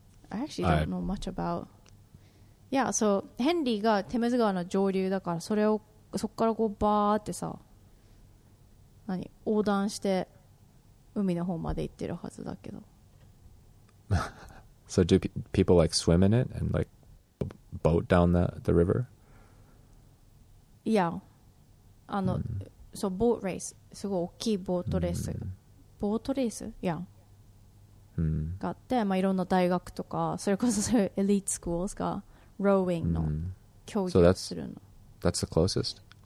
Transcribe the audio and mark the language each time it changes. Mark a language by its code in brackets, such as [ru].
[en] I actually don't know much about. Yeah, so [ja] ヘンリーがテムズ川の上流だからそれをそこからこうバーってさ何横断して海の方まで行ってるはずだけど。 [en] So do people like swim in it and like boat down the river? Yeah. [ja] あの、 [en] so boat race. [ja] すごい大きいボートレース。ボートレース? [en] Yeah. [ja] があって、まあ、いろんな大学とか、それこそそういうエリートスクールがローウィングの競技をするの。 [en] So that's the closest?